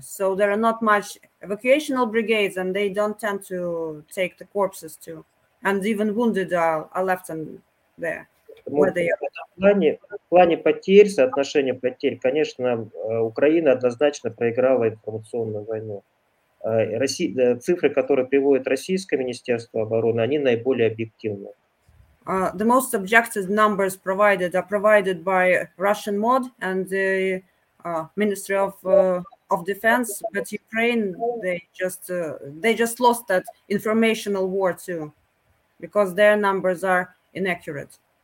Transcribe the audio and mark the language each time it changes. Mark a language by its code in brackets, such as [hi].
[en] So there are not much evacuational brigades, and they don't tend to take the corpses too, and even wounded are left on there. [ru] В плане потерь, соотношения потерь, конечно, Украина однозначно проиграла информационную войну. Цифры, которые приводит российское министерство обороны, они наиболее объективны. [en] The most objective numbers provided are provided by Russian MOD and the Ministry of Defense, but Ukraine they just lost that informational war too, because their numbers are inaccurate.